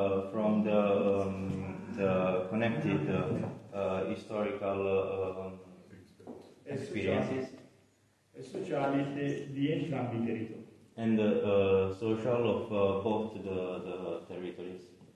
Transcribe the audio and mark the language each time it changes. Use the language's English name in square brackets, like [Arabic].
[English] From the connected historical experiences [Italian] e sociali di entrambi i territori [English] and social of both the territories.